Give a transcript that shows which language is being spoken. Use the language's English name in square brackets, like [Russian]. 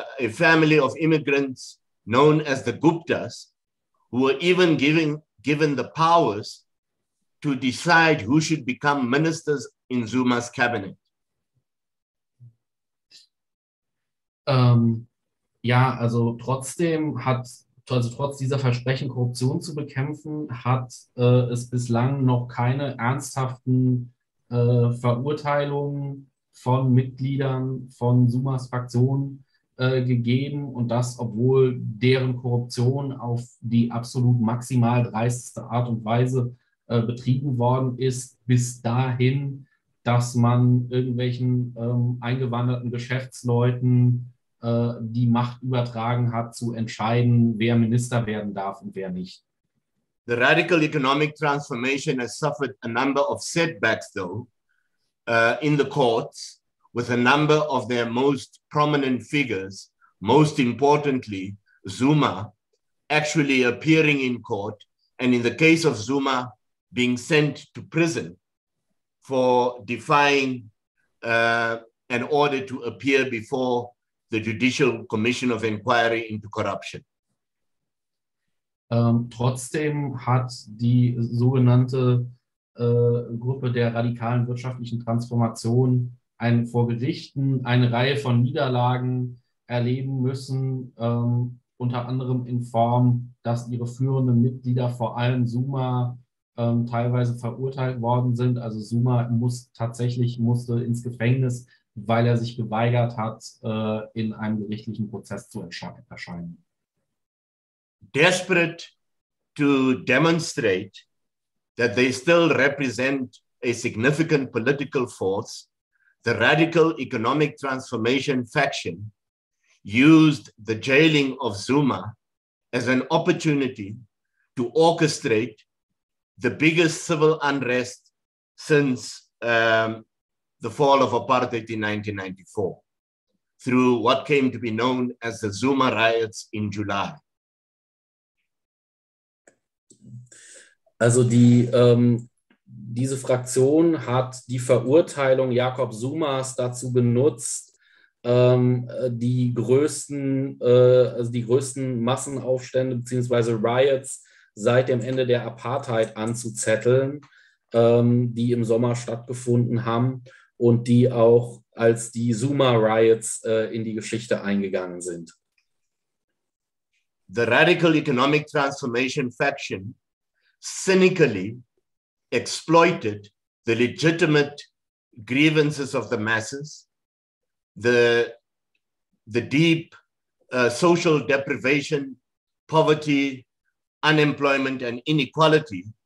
[English] family of immigrants known as the Guptas, who were even given the powers to decide who should become ministers in Zuma's cabinet. [German] Ja, also trotz dieser Versprechen, Korruption zu bekämpfen, hat es bislang noch keine ernsthaften Verurteilungen von Mitgliedern von Zumas Fraktion gegeben. Und das, obwohl deren Korruption auf die absolut maximal dreisteste Art und Weise betrieben worden ist, bis dahin, dass man irgendwelchen eingewanderten Geschäftsleuten die Macht übertragen hat, zu entscheiden, wer Minister werden darf und wer nicht. [English] The radical economic transformation has suffered a number of setbacks, though, in the courts, with a number of their most prominent figures, most importantly, Zuma, actually appearing in court, and in the case of Zuma, being sent to prison for defying an order to appear before the Judicial Commission of Inquiry into Corruption. [German] Trotzdem hat die sogenannte Gruppe der radikalen wirtschaftlichen Transformation vor Gerichten eine Reihe von Niederlagen erleben müssen, unter anderem in Form, dass ihre führenden Mitglieder, vor allem Zuma, teilweise verurteilt worden sind. Also Zuma musste ins Gefängnis, weil er sich geweigert hat, in einem gerichtlichen Prozess zu erscheinen. [English] Desperate to demonstrate that they still represent a significant political force, the Radical Economic Transformation Faction used the jailing of Zuma as an opportunity to orchestrate the biggest civil unrest since the fall of apartheid in 1994 through what came to be known as the Zuma riots in July. [German] Also die diese Fraktion hat die Verurteilung Jakob Zumas dazu benutzt, die größten Massenaufstände bzw. Riots seit dem Ende der Apartheid anzuzetteln, die im Sommer stattgefunden haben und die auch als die Zuma-Riots in die Geschichte eingegangen sind. [English] The Radical Economic Transformation Faction cynically exploited the legitimate grievances of the masses, the deep social deprivation, poverty, unemployment and inequality